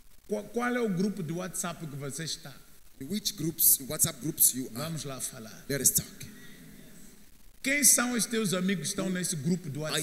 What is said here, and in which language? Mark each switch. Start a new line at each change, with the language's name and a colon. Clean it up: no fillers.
Portuguese: Qual é o grupo de WhatsApp que você está?
English: Which groups, WhatsApp groups you are?
Portuguese: Vamos lá falar.
English: Let us talk.
Portuguese: Quem são os teus amigos que estão nesse grupo do WhatsApp?